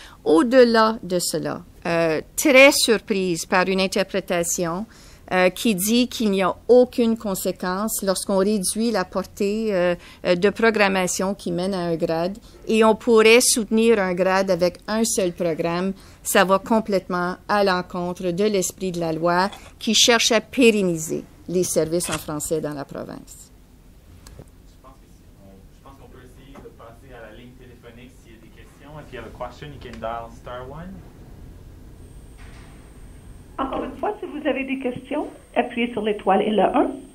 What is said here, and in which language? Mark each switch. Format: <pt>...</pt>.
<fr>Au-delà de cela, très surprise par une interprétation qui dit qu'il n'y a aucune conséquence lorsqu'on réduit la portée de programmation qui mène à un grade et on pourrait soutenir un grade avec un seul programme. Ça va complètement à l'encontre de l'esprit de la loi qui cherche à pérenniser les services en français dans la province. Je pense qu'on peut essayer de passer à la ligne téléphonique s'il y a des questions.</fr> <en>If you have a question, you can dial star one.</en> <fr>Encore une fois, si vous avez des questions, appuyez sur l'étoile et le 1.</fr>